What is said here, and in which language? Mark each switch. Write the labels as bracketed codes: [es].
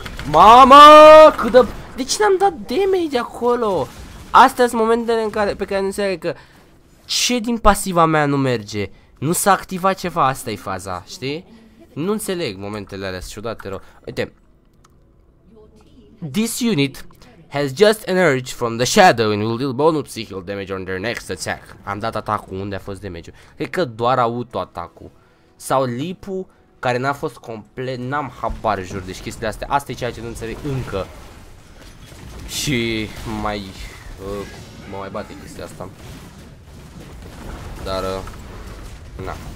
[ro] Mama, cât de... De ce n-am dat damage acolo? Astea sunt momentele în care, pe care nu înțeleg că... Ce din pasiva mea nu merge? Nu s-a activat ceva, asta e faza, știi? Nu înțeleg momentele alea, sunt ciudate rău. Uite. [en] This unit has just emerged from the shadow and will deal bonus psychic damage on their next attack. [ro] Am dat atacul, unde a fost damage-ul? Cred că doar auto-atacul. Sau lipul care n-a fost complet, n-am habar, jur, deci chestiile astea. Asta e ceea ce nu înțeleg încă. Și mai... mă mai bate chestia asta. Dar... na.